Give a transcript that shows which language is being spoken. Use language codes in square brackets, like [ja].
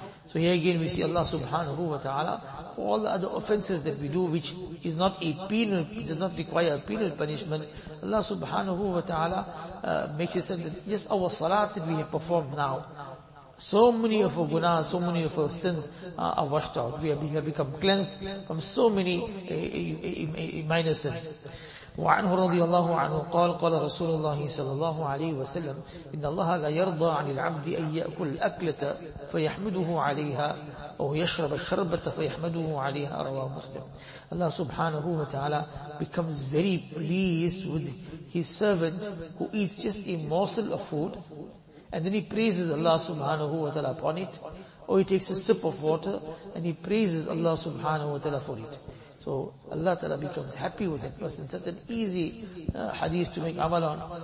[en] So here again we see Allah subhanahu wa ta'ala, for all the other offenses that we do, which is not a penal, does not require a penal punishment, Allah subhanahu wa ta'ala makes it said that just our salat that we have performed now, so many of our gunas, so many of our sins are washed out. We have become cleansed from so many minor sins. [ar] وعنه رضي الله عنه قال قال رسول الله صلى الله عليه وسلم إن الله لا يرضى عن العبد أن يأكل الأكلة فيحمده عليها أو يشرب الشربة فيحمده عليها رواه مسلم. [en] الله سبحانه وتعالى becomes very pleased with his servant who eats just a morsel of food and then he praises Allah subhanahu wa ta'ala upon it, or he takes a sip of water and he praises Allah subhanahu wa ta'ala for it. So Allah ta'ala becomes happy with that person. Such an easy hadith to make amal on.